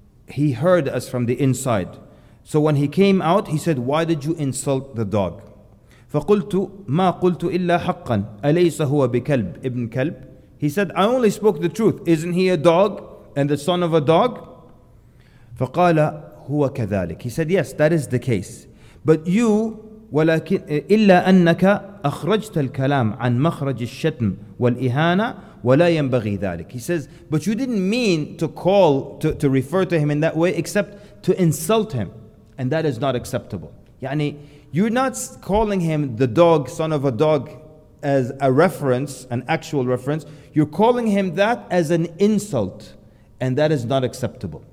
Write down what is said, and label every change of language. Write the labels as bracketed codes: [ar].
[en] he heard us from the inside. So when he came out, he said, why did you insult the dog? [ar] فَقُلْتُ مَا قُلْتُ إِلَّا حَقًّا أَلَيْسَ هُوَ بِكَلْبِ إِبْنْ كَلْبِ. [en] He said, I only spoke the truth. Isn't he a dog and the son of a dog? [ar] فَقَالَ هُوَ كَذَلِكَ. [en] He said, yes, that is the case. But you, [ar] ولكن, إِلَّا أَنَّكَ أَخْرَجْتَ الْكَلَامَ عَنْ مَخْرَجِ الشَّتْمِ وَالْإِهَانَةِ وَلَا يَنْبَغِي ذَلِكَ. [en] He says, but you didn't mean to call, to refer to him in that way, except to insult him. And that is not acceptable. يعني, you're not calling him the dog, son of a dog, as a reference, an actual reference. You're calling him that as an insult. And that is not acceptable.